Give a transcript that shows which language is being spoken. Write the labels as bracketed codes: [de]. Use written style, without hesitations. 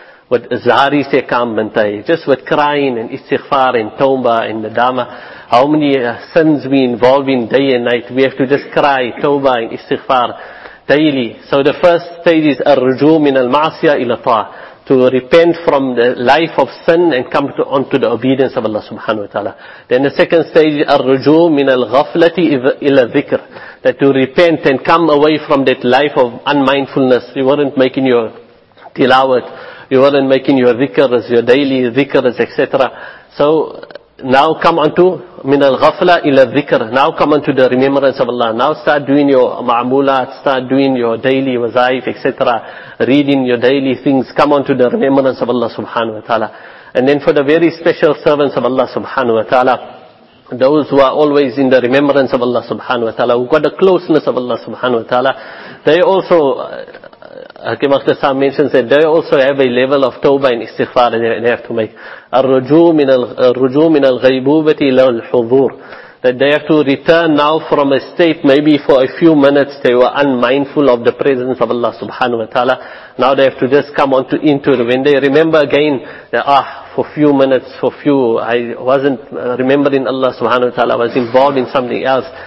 [en] With [ur] zahari se kaam bantai. [en] Just with crying and istighfar and tawbah and nadama. How many sins we involve in day and night. We have to just cry, tawbah and istighfar daily. So the first stage is [ar] ar-rujoo min al-ma'asiyah ila ta'ah. [en] to repent from the life of sin and come to, onto the obedience of Allah subhanahu wa ta'ala. Then the second stage, [ar] الرجوع من الغفلة إلى ذكر. [en] That to repent and come away from that life of unmindfulness. You weren't making your tilawat, you weren't making your dhikr as your daily dhikr, etc. So now come onto [ar] من الغفلة إلى ذكر. [en] Now come onto the remembrance of Allah. Now start doing your ma'amulat, start doing your daily wazaif, etc. Reading your daily things. Come onto the remembrance of Allah subhanahu wa ta'ala. And then for the very special servants of Allah subhanahu wa ta'ala, those who are always in the remembrance of Allah subhanahu wa ta'ala, who got the closeness of Allah subhanahu wa ta'ala, they also, Hakim Akhtasam mentions that they also have a level of tawbah and istighfar that they have to make. [ar] الرجوع من الغيبوبة إلى الحضور. [en] That they have to return now from a state, maybe for a few minutes they were unmindful of the presence of Allah subhanahu wa ta'ala. Now they have to just come on to into it. When they remember again, I wasn't remembering Allah subhanahu wa ta'ala, I was involved in something else.